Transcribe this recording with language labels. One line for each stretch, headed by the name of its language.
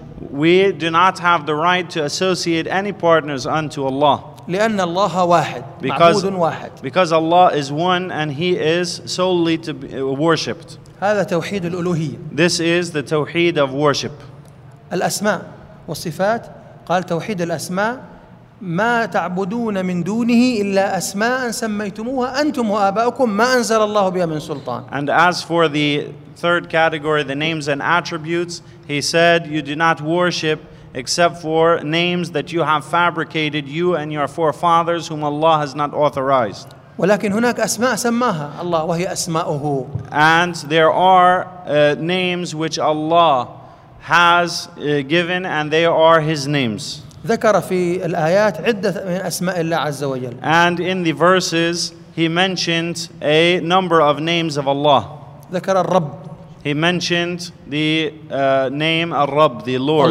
English: We do not have the right to associate any partners unto Allah.
Arabic: لأن الله واحد معبود واحد.
English: Because Allah is one and he is solely to be worshipped.
Arabic: هذا توحيد الألوهية.
English: This is the توحيد of worship.
Arabic: الأسماء والصفات قال توحيد الأسماء ما تعبدون من دونه إلا أسماء سميتموها أنتم وآباؤكم ما أنزل الله بها من سلطان.
English: And as for the third category, the names and attributes, he said you do not worship except for names that you have fabricated, you and your forefathers, whom Allah has not authorized.
Arabic: ولكن هناك أسماء سماها الله وهي أسماؤه.
English: And there are names which Allah has given, and they are His names.
Arabic: ذكر في الآيات عدة من أسماء الله عز وجل.
English: And in the verses, He mentioned a number of names of Allah.
Arabic: ذكر الرب.
English: He mentioned the name الرب, the Lord.